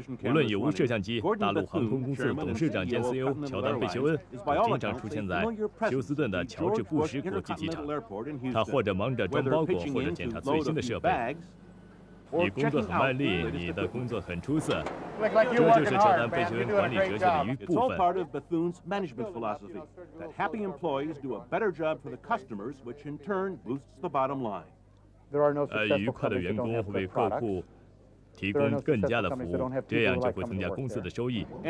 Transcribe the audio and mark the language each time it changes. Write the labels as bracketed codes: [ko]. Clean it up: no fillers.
[zh] 无论有无摄像机，大陆航空公司董事长兼 CEO 乔丹·贝修恩经常出现在休斯顿的乔治·布什国际机场，他或者忙着装包裹，或者检查最新的设备。你工作很卖力，你的工作很出色，这就是乔丹·贝修恩管理哲学的一部分。 [en] part of Bethune's management philosophy that happy employees do a better job for the customers, which in turn boosts the bottom line. There are no successful companies that don't have good products. [zh] 愉快的员工为客户提供更加的服务，这样就会增加公司的收益。